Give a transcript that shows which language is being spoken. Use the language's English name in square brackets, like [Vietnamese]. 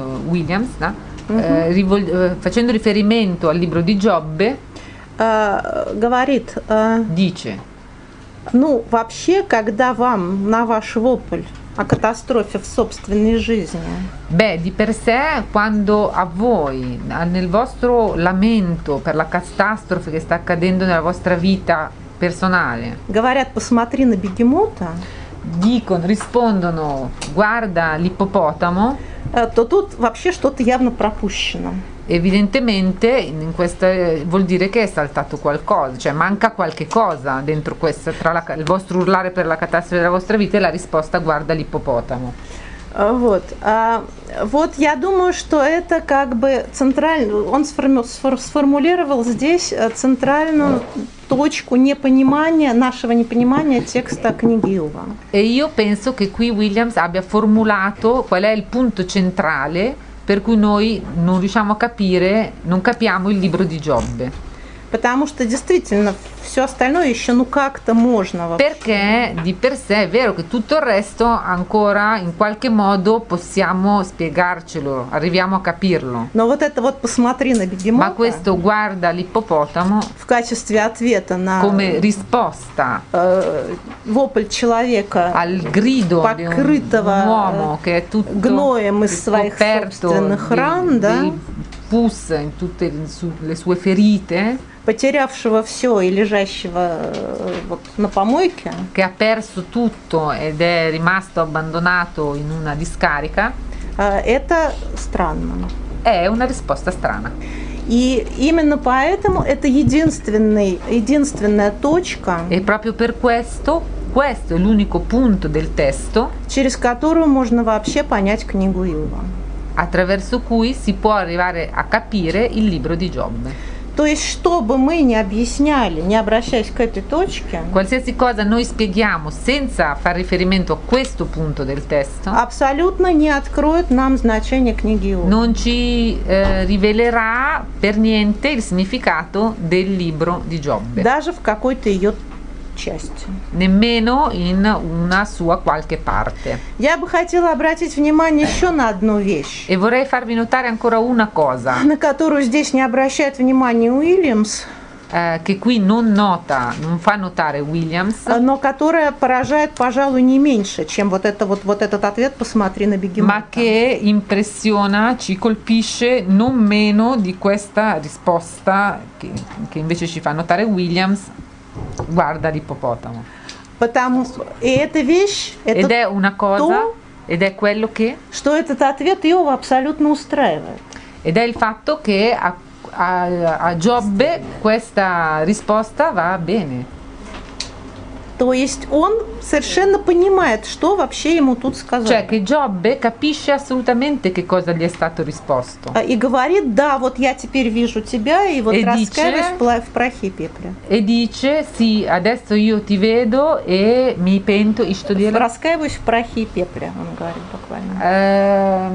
[Italian] Уильямс, да, facendo riferimento al libro di Giobbe, [Russian] говорит, [Italian] dice, [Russian] ну вообще, когда вам на ваш вопль о катастрофе в собственной жизни, [Italian] beh, di per sé, quando a voi, nel vostro lamento per la catastrofe che sta accadendo nella vostra vita personale, [Russian] говорят, посмотри на бегемота. [Italian] Dicono, rispondono, guarda l'ippopotamo. [Russian] То тут вообще что-то явно пропущено. [Italian] Evidentemente in questo vuol dire che è saltato qualcosa, cioè manca qualche cosa dentro questa tra la, il vostro urlare per la catastrofe della vostra vita e la risposta guarda l'ippopotamo. [Russian] Вот, вот я думаю, что это как бы центральный, он сформулировал здесь центральную точку непонимания, нашего непонимания текста книги Иова. [Italian] E io penso che qui Williams abbia formulato qual è il punto centrale per cui noi non riusciamo a capire, non capiamo il libro di Giobbe. [Russian] Потому что действительно все остальное еще ну как-то можно. [Italian] Perché di per sé è vero che tutto il resto ancora in qualche modo possiamo spiegarcelo, arriviamo a capirlo. [Russian] Но вот это вот посмотри на бегемота. [Italian] Ma questo guarda l'ippopotamo. [Russian] В качестве ответа на. [Italian] Come risposta. [Russian] Вопль человека. [Italian] Al grido [Russian] покрытого [Italian] di un uomo che è tutto [Russian] гноем из своих собственных ран, да? [Italian] Pus in tutte le sue ferite, [Russian] потерявшего все и лежащего вот, на помойке, [Italian] che ha perso tutto ed è rimasto abbandonato in una discarica, [Russian] это странно. [Italian] È una risposta strana. [Russian] И именно поэтому это единственная точка. [Italian] E proprio per questo, questo è l'unico punto del testo, [Russian] через которую можно вообще понять книгу Иова. [Italian] Attraverso cui si può arrivare a capire il libro di Giobbe. [Russian] То есть, что бы мы ни объясняли, не обращаясь к этой точке, [Italian] qualsiasi cosa noi spieghiamo senza far riferimento a questo punto del testo, [Russian] абсолютно не откроет нам значение книги Иова. [Italian] Non ci rivelerà per niente il significato del libro di Giobbe. [Russian] Даже в какой-то ее части. [Italian] Nemmeno in una sua qualche parte. [Russian] Я бы хотела обратить внимание еще на одну вещь. [Italian] E vorrei farvi notare ancora una cosa. [Russian] На которую здесь не обращает внимание Уильямс. [Italian] Che qui non nota, non fa notare Williams. [Russian] Но которая поражает, пожалуй, не меньше, чем вот это вот вот этот ответ. Посмотри на бегемота. [Italian] Ma che impressiona, ci colpisce non meno di questa risposta che invece ci fa notare Williams. Guarda l'ippopotamo. [Russian] Потому и эта вещь, это [Italian] ed è una cosa, [Russian] то, [Italian] ed è quello che, [Russian] что этот ответ Иова абсолютно устраивает. [Italian] Ed è il fatto che a Giobbe questa risposta va bene. [Russian] То есть он совершенно понимает, что вообще ему тут сказали. [Italian] Cioè che Giobbe capisce assolutamente che cosa gli è stato risposto. [Russian] И говорит: "Да, вот я теперь вижу тебя и вот раскаиваюсь в прахе и пепле". [Italian] E dice: "Sì, adesso io ti vedo e mi pento [Russian] и что делать?" Раскаиваюсь в прахе и пепле, он говорит буквально.